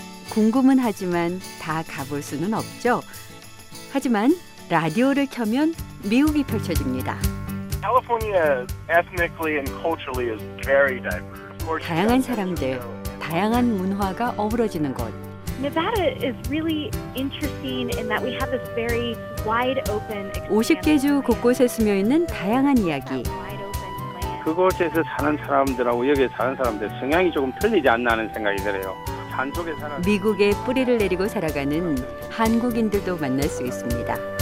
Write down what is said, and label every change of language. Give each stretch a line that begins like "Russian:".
Korean: 궁금은 하지만 다 가볼 수는 없죠. 하지만 라디오를 켜면 미국이 펼쳐집니다.
English: California ethnically and culturally is very diverse.
Korean: 다양한 사람들, 다양한 문화가 어우러지는 곳.
English: Nevada is really interesting in that we have this very wide open.
Korean: 50개 주 곳곳에 숨어 있는 다양한 이야기. 그곳에서 사는 사람들하고 여기 사는 사람들 성향이 조금 틀리지 않나 하는 생각이 들어요. 산속에 사는 미국의 뿌리를 내리고 살아가는 한국인들도 만날 수 있습니다.